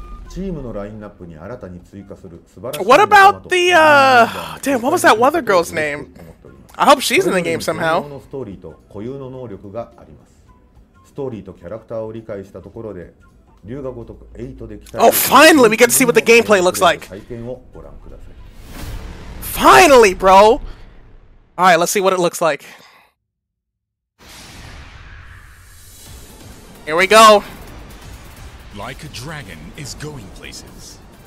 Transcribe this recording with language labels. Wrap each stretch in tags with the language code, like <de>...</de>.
<ja>Team のラインナップに新たに追加する素晴らしい</ja> <en>What about the, damn, what was that other girl's name? I hope she's in the game somehow.</en> <ja>ストーリーと固有の能力があります。ストーリーとキャラクターを理解したところで、龍が如く8で期待。</ja> <en>Oh, finally, we get to see what the gameplay looks like.</en> <ja>体験をご覧ください。</ja> <en>Finally, bro. All right, let's see what it looks like. Here we go. Like a dragon is going places.</en>